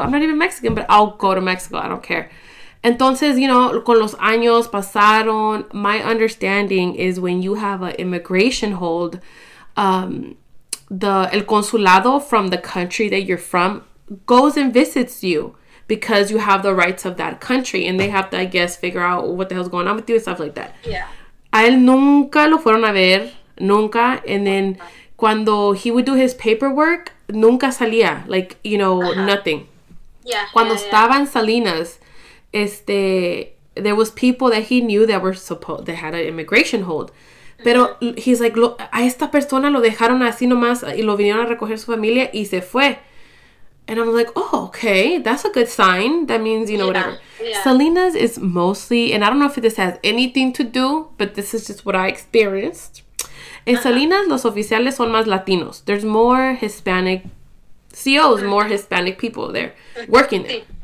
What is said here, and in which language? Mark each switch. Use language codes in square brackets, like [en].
[en] I'm not even Mexican, but I'll go to Mexico. I don't care. Entonces, you know, con los años pasaron, my understanding is when you have an immigration hold, el consulado from the country that you're from goes and visits you. Because you have the rights of that country, and they have to, I guess, figure out what the hell's going on with you and stuff like that. Yeah. [es] A él nunca lo fueron a ver, nunca. [en] And then cuando he would do his paperwork, nunca salía, like, you know, nothing. Yeah. [es] Cuando estaba [en] en Salinas, there was people that he knew that were supposed, that had an immigration hold. [es] Pero he's like, a esta persona lo dejaron así nomás y lo vinieron a recoger su familia y se fue. [en] And I'm like, oh, okay, that's a good sign. That means, you know, yeah, whatever. Yeah. Salinas is mostly, and I don't know if this has anything to do, but this is just what I experienced. In Salinas, los oficiales son más latinos. There's more Hispanic COs, more Hispanic people there, working there.